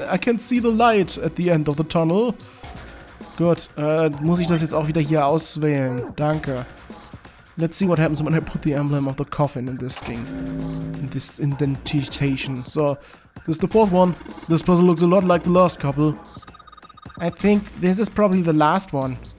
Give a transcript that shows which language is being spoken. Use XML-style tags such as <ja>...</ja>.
<en>I can see the light at the end of the tunnel.</en> <de>Gut, muss ich das jetzt auch wieder hier auswählen. Danke.</de> <en>Let's see what happens when I put the emblem of the coffin in this thing. In this indentation. So, this is the fourth one. This puzzle looks a lot like the last couple. I think this is probably the last one.</en>